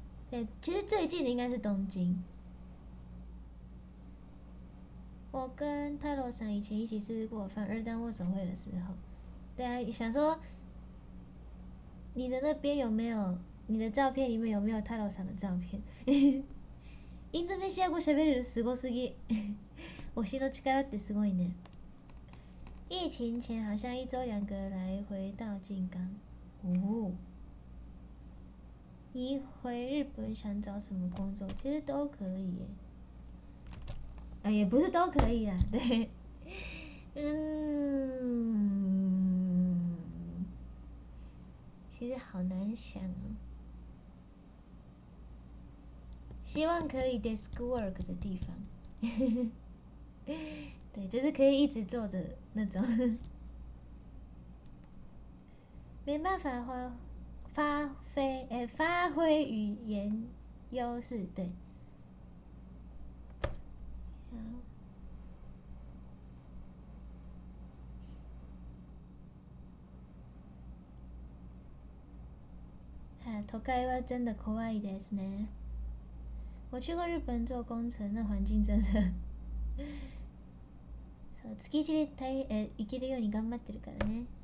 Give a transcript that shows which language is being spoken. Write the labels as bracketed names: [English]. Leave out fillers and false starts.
[Chinese] 对，其实最近的应该是东京。我跟太郎さん以前一起吃过饭，二段握手会的时候。对啊，想说你的那边有没有，你的照片里面有没有太郎さん [Japanese] の照片？インドネシア語喋れるすごすぎ。推しの力ってすごいね。 [Chinese] 疫情前好像一周两个来回到静冈。哦。你回日本想找什么工作？其实都可以耶。也不是都可以啦，对，嗯，其实好难想哦。希望可以 [English] desk work [Chinese] 的地方，对，就是可以一直坐着那种，没办法发挥语言优势，对。 [Japanese] 都会は [Chinese] 真的 [Japanese] 怖いですね。 [Chinese] 我去过日本做工程，那环境真的。 [Japanese] そう、月一で行けるように頑張ってるからね。